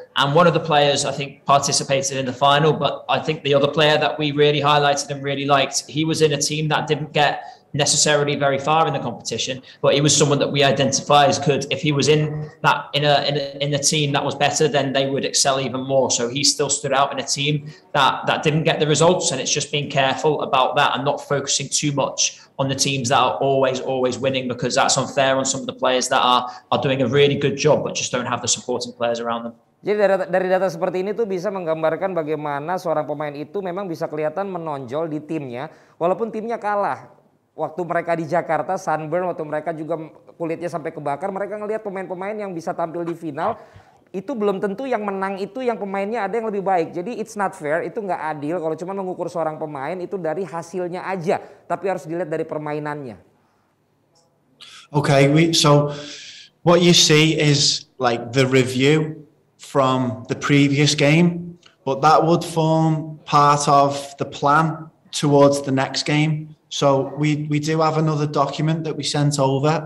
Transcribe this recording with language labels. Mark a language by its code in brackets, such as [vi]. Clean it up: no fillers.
[en] And one of the players, I think, participated in the final, but I think the other player that we really highlighted and really liked, he was in a team that didn't get necessarily very far in the competition, but he was someone that we identify as could, if he was in that in a team that was better, then they would excel even more. So he still stood out in a team that didn't get the results, and it's just being careful about that and not focusing too much on the teams that are always winning, because that's unfair on some of the players that are doing a really good job but just don't have the supporting players around them. [id] Jadi dari data seperti ini tuh bisa menggambarkan bagaimana seorang pemain itu memang bisa kelihatan menonjol di timnya walaupun timnya kalah. Waktu mereka di Jakarta [en] sunburn, [id] waktu mereka juga kulitnya sampai kebakar, mereka ngelihat pemain-pemain yang bisa tampil di final itu belum tentu yang menang itu yang pemainnya ada yang lebih baik. Jadi [en] it's not fair, [id] itu gak adil kalau cuma mengukur seorang pemain itu dari hasilnya aja. Tapi harus dilihat dari permainannya. [en] Okay, so what you see is like the review from the previous game, but that would form part of the plan towards the next game. So we do have another document that we sent over.